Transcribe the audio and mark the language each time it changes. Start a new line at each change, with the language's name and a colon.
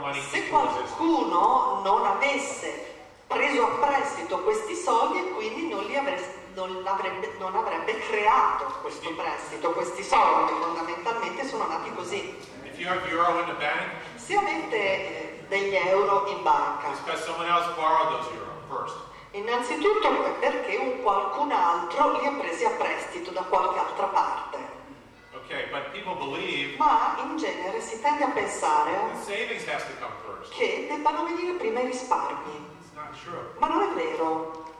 Italian: Se qualcuno non avesse preso a prestito questi soldi, quindi non avrebbe creato questo prestito, questi soldi fondamentalmente sono nati così.
English: If you have euro in the bank,
Italian: se avete degli euro in banca,
English: it's because someone else borrowed those euro first.
Italian: Innanzitutto è perché qualcun altro li ha presi a prestito da qualche altra parte.
English: Okay, but people believe,
Italian: ma in genere si tende a pensare
English: savings has to come first.
Italian: Che debbano venire prima i risparmi.
English: It's not true.
Italian: Ma non è vero.